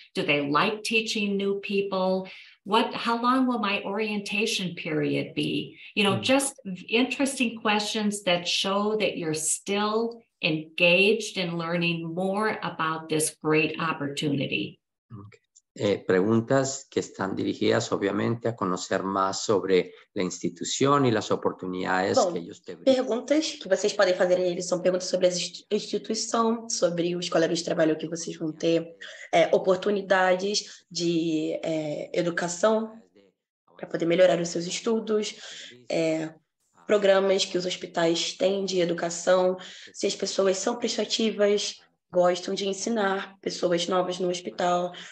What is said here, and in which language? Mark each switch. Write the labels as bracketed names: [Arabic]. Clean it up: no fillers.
[English] Do they like teaching new people? How long will my orientation period be? You know, just interesting questions that show that you're still engaged in learning more about this great opportunity. Okay. [Spanish] Preguntas que están dirigidas obviamente a conocer más sobre la institución y las oportunidades que ellos te brindan. [Portuguese] Perguntas que vocês podem fazer a eles são perguntas sobre a instituição, sobre os colegas de trabalho que vocês vão ter, oportunidades de educação para poder melhorar os seus estudos, programas que os hospitais têm de educação, se as pessoas são prestativas, gostam de ensinar pessoas novas no hospital.